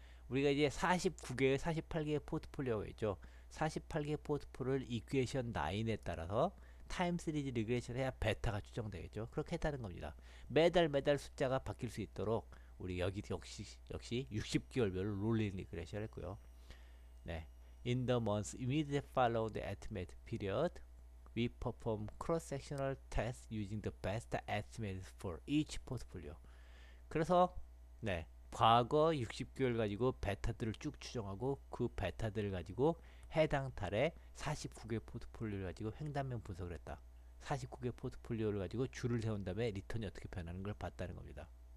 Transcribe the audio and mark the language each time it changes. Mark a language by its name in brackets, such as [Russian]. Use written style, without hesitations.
[Korean] 우리가 이제 49개의 48개의 포트폴리오가 있죠. 48개의 포트폴리오를 equation 9에 따라서 타임 시리즈 리그레션 해야 베타가 추정되겠죠. 그렇게 했다는 겁니다. 매달 매달 숫자가 바뀔 수 있도록 우리 여기 역시 60개월별로 롤링 리그레션을 했고요. 네. [English] In the months immediately following the estimated period, we perform cross-sectional tests using the best estimates for each portfolio. [Korean] 그래서 네. 과거 60개월 가지고 베타들을 쭉 추정하고 그 베타들을 가지고 해당 달에 49개 포트폴리오를 가지고 횡단면 분석을 했다. 49개 포트폴리오를 가지고 줄을 세운 다음에 리턴이 어떻게 변하는 걸 봤다는 겁니다.